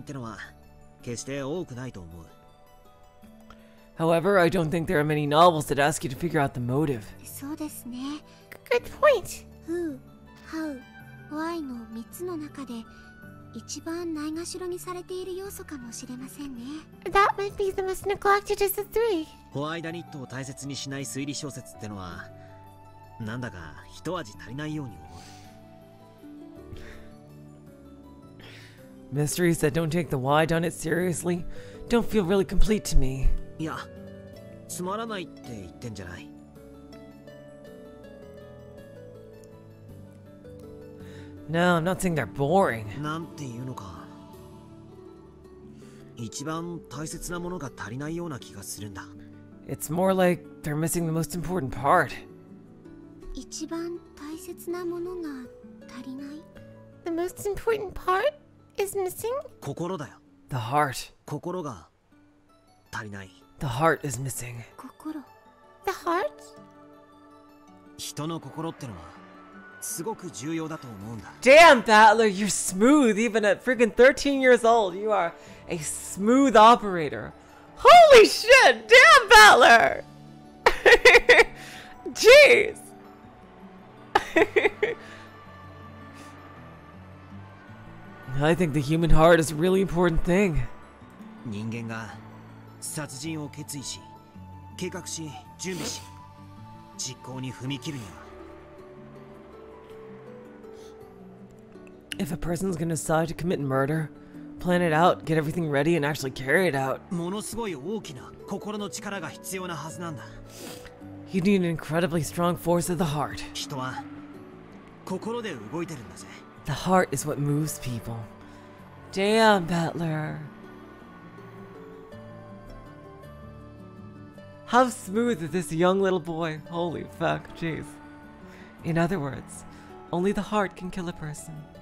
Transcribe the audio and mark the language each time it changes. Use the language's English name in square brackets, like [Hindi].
[Japanese] しかし、動機を推理する作品ってのは決して多くないと思う [English] However, I don't think there are many novels that ask you to figure out the motive. [Japanese] そうですね. [English] Good point! Who, how, why [Japanese] の3つの中で一番ないがしろにされている要素かもしれませんね. [English] That might be the most neglected of the three. [Japanese] ホワイダニットを大切にしない推理小説ってのは、なんだか一味足りないように思う。 [English] Mysteries that don't take the why done it seriously don't feel really complete to me. Yeah. [Japanese] つまらないって言ってんじゃない? [English] No, I'm not saying they're boring. [Japanese] なんていうのか 一番大切なものが足りないような気がするんだ [English] It's more like they're missing the most important part. [Japanese] 一番大切なものが足りない? [English] The most important part is missing? [Japanese] 心だよ [English] The heart [Japanese] 心が足りない [English] The heart is missing. [Japanese] 心? [English] The heart? [Japanese] 人の心ってのはすごく重要だと思うんだ [English] Damn, Battler, you're smooth even at freaking 13 years old. You are a smooth operator. Holy shit! Damn, Battler! Jeez! I think the human heart is a really important thing. [Japanese] 人間が 殺人を決意し、計画し、準備し、実行に踏み切るには [English] If a person's gonna decide to commit murder, plan it out, get everything ready, and actually carry it out [Japanese] ものすごい大きな心の力が必要なはずなんだ [English] You need an incredibly strong force of the heart [Japanese] 人は心で動いてるんだぜ [English] The heart is what moves people Damn, Battler How smooth is this young little boy? Holy fuck, jeez. In other words, only the heart can kill a person.